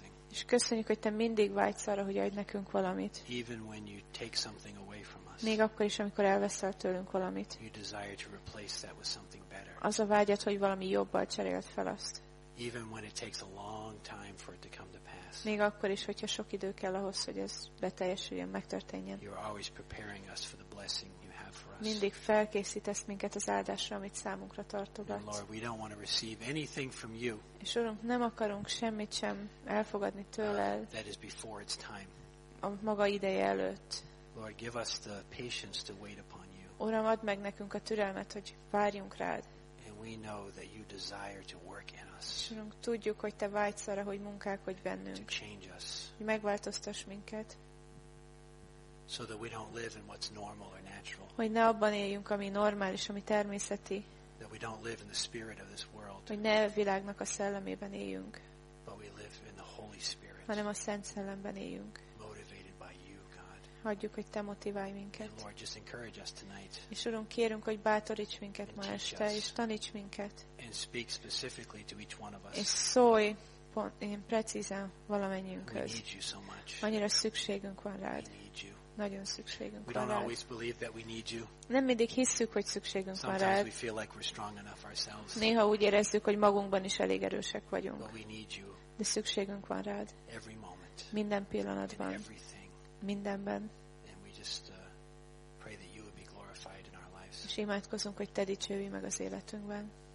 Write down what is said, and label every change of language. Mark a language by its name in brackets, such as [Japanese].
[Hungarian] És köszönjük, hogy te mindig vágysz arra, hogy adj nekünk valamit. [English] Even when you take something away from us. [Hungarian] Még akkor is, amikor elveszel tőlünk valamit. [English] You desire to replace that with something better. [Hungarian] Az a vágyat, hogy valami jobbal cseréld fel azt. [English] Even when it takes a long time for it to come to pass. [Hungarian] Még akkor is, hogyha sok idő kell ahhoz, hogy ez beteljesüljön, megtörténjen. [English] You're always preparing us for the blessing you have for us. [Hungarian] Mindig felkészítesz minket az áldásra, amit számunkra tartogatsz. [English] Lord, we don't want to receive anything from you. [Hungarian] És Urunk, nem akarunk semmit sem elfogadni tőled. [English] That is before its time. [Hungarian] A maga ideje előtt. [English] Lord, give us the patience to wait upon you. [Hungarian] Uram, add meg nekünk a türelmet, hogy várjunk rád. [English] And we know that you desire to work in us. [Hungarian] Tudjuk, hogy te vágysz arra, hogy munkálkodj bennünk. [English] To change us. [Hungarian] Megváltoztass minket. [English] So that we don't live in what's normal or natural. [Hungarian] Hogy ne abban éljünk, ami normális, ami természeti. [English] That we don't live in the spirit of this world. [Hungarian] Hogy ne a világnak a szellemében éljünk. [English] But we live in the Holy Spirit. [Hungarian] Hanem a Szent Szellemben éljünk. [English] Motivated by you, God. [Hungarian] Hagyjuk, hogy te motiválj minket. [English] And Lord, just encourage us tonight. [Hungarian] És Urunk, kérünk, hogy bátoríts minket ma este, és taníts minket. [English] And speak specifically to each one of us. [Hungarian] És szólj ilyen precízen valamennyiünkhöz. [English] We need you so much. [Hungarian] Annyira szükségünk van rád. [English] We need you. [Hungarian] Nagyon szükségünk van. [English] We don't always believe that we need you. [Hungarian] Nem mindig hisszük, hogy szükségünk van rád. [English] Sometimes we feel like we're strong enough ourselves. [Hungarian] Néha úgy érezzük, hogy magunkban is elég erősek vagyunk. [English] But we need you. [Hungarian] De szükségünk van rád. [English] Every moment. [Hungarian] Minden pillanatban. [English] In everything. [Hungarian] Mindenben. [English] And we just pray that you would be glorified in our lives. [Hungarian] És imádkozunk, hogy te dicsőj meg az életünkben.